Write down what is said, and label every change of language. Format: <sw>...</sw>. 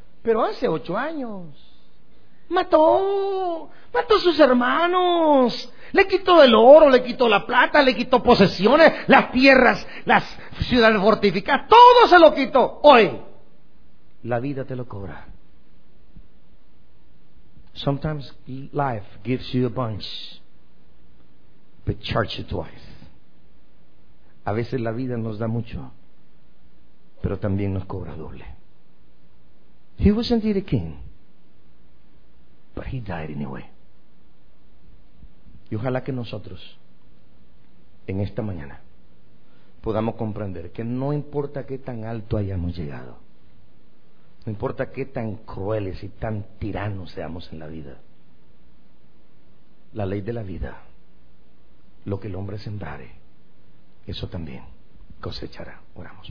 <es>Pero hace 8 años, mató a sus hermanos, le quitó el oro, le quitó la plata, le quitó posesiones, las tierras, las ciudades fortificadas, todo se lo quitó. Hoy, la vida te lo cobra.</es> <en>Sometimes life gives you a bunch, but charge it twice.</en> <es>A veces la vida nos da mucho, pero también nos cobra doble.</es> <en>He was indeed a king, but he died anyway.</en> <es>Y ojalá que nosotros, en esta mañana, podamos comprender que no importa qué tan alto hayamos llegado, No importa qué tan crueles y tan tiranos seamos en la vida. La ley de la vida, lo que el hombre sembrare, eso también cosechará. Oramos.</es>